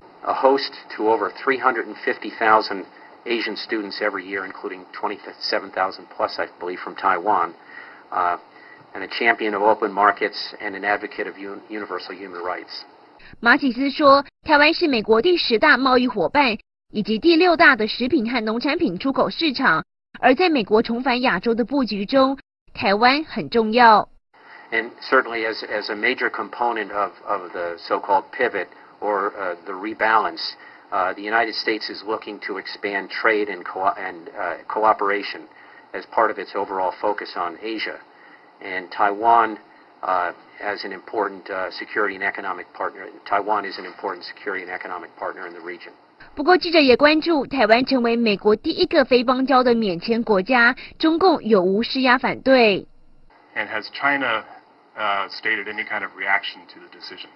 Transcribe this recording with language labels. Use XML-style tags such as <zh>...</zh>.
<en>A host to over 350,000 Asian students every year, including 27,000 plus, I believe, from Taiwan, and a champion of open markets and an advocate of universal human rights.</en> <zh>马启斯说，台湾是美国第十大贸易伙伴，以及第六大的食品和农产品出口市场。而在美国重返亚洲的布局中，台湾很重要。</zh> <en>And certainly as a major component of the so-called pivot or the rebalance, the United States is looking to expand trade and cooperation as part of its overall focus on Asia. And Taiwan as an important security and economic partner. Taiwan is an important security and economic partner in the region.</en> <zh>不过记者也关注，台湾成为美国第一个非邦交的免签国家，中共有无施压反对。</zh> <en>And has China stated any kind of reaction to the decision?</en>